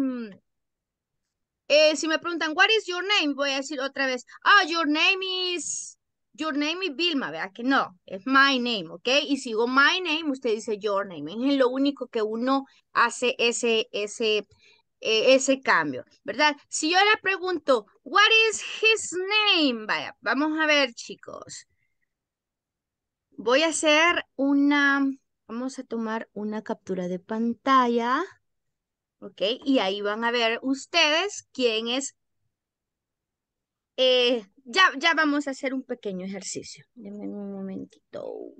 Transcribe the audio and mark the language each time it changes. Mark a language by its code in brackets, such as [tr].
[es] Si me preguntan, [en] what is your name? [es] Voy a decir otra vez, ah, oh, [en] your name is Vilma, [es] vea que no, es [en] my name, [es] ¿ok? Y si digo [en] my name, [es] usted dice [en] your name. [es] Es lo único que uno hace ese cambio, ¿verdad? Si yo le pregunto, [en] what is his name? [es] Vaya, vamos a ver, chicos. Voy a hacer una, vamos a tomar una captura de pantalla. Ok, y ahí van a ver ustedes quién es. Ya vamos a hacer un pequeño ejercicio. Denme un momentito.